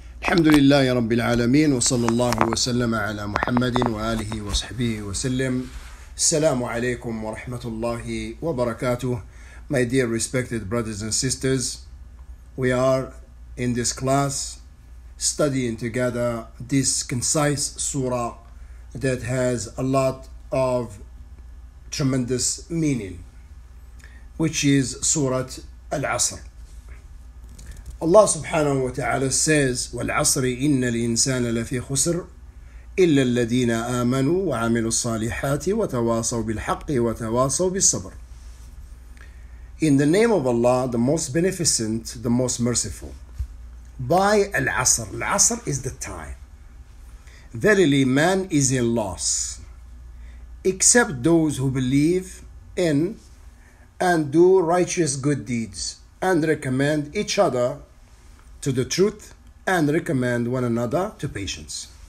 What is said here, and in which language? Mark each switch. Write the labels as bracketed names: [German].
[Arabic] الحمد لله رب العالمين وصلى الله وسلم على محمد وآله وصحبه وسلم. السلام عليكم ورحمة الله وبركاته. [English] My dear respected brothers and sisters, we are in this class studying together this concise surah that has a lot of tremendous meaning, which is Surah Al-Asr. Allah subhanahu wa ta'ala says, [Arabic] وَالْعَصْرِ إِنَّ الْإِنسَانَ لَفِي خُسْرٍ إِلَّا الَّذِينَ آمَنُوا وَعَمِلُوا الصَّالِحَاتِ وَتَوَاصَوْا بِالْحَقِّ وَتَوَاصَوْا بِالصَّبْرِ. [English] In the name of Allah, the most beneficent, the most merciful. By Al-Asr, Al-Asr is the time. Verily, man is in loss, except those who believe in and do righteous good deeds, and recommend each other to the truth and recommend one another to patience.